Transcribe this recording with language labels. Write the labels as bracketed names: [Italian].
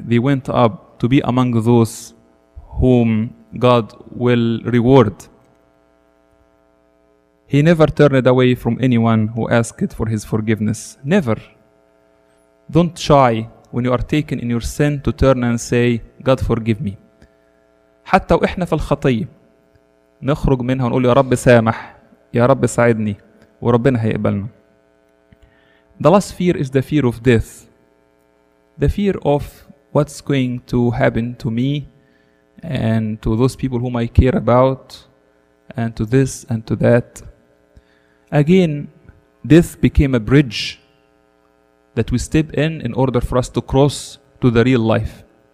[English] They went up to be among those whom God will reward. He never turned away from anyone who asked for His forgiveness. Never. Don't shy when you are taken in your sin to turn and say, God forgive me. [Arabic] حتى وإحنا في الخطية نخرج منها ونقول يا رب سامح يا رب ساعدني وربنا هيقبلنا. [English] The last fear is the fear of death. The fear of what's going to happen to me and to those people whom I care about and to this and to that. Again, death became a bridge that we step in order for us to cross to the real life.